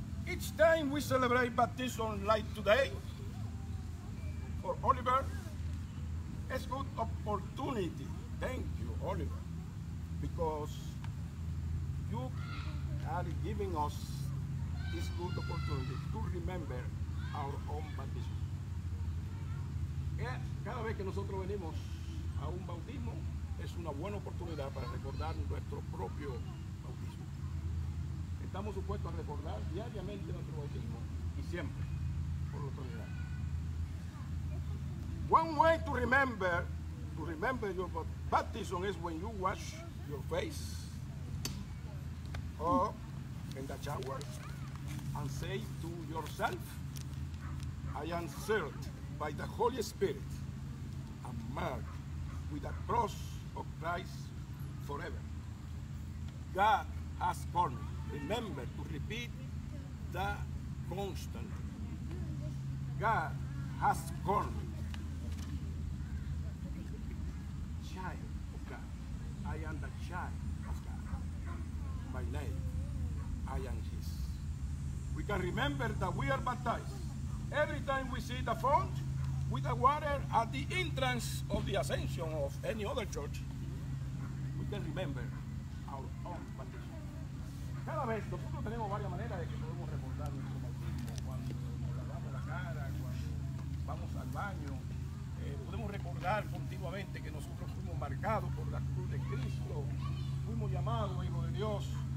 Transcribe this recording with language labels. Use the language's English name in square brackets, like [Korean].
[English] Each time we celebrate baptism like today for Oliver, it's good opportunity. Thank you, Oliver, because you are giving us this good opportunity to remember our own baptism. [Spanish] Cada vez que nosotros venimos a un bautismo, es una buena oportunidad para recordar nuestro propio bautismo. Estamos supuestos a recordar diariamente nuestro bautismo y siempre, por la eternidad. [English] One way to remember your baptism is when you wash your face or in the shower and say to yourself, I am sealed by the Holy Spirit and marked with the cross of Christ forever. God has called me. Remember to repeat that constantly. God has called me. Child of God. I am the child of God. My name, I am His. We can remember that we are baptized every time we see the font with the water at the entrance of the Ascension of any other church. We can remember our own baptism. [Spanish] Cada vez nosotros tenemos varias maneras de que podemos recordar nuestro bautismo. Cuando nos lavamos la cara, cuando vamos al baño, podemos recordar continuamente que nosotros fuimos marcados por la cruz de Cristo, fuimos llamados hijos de Dios.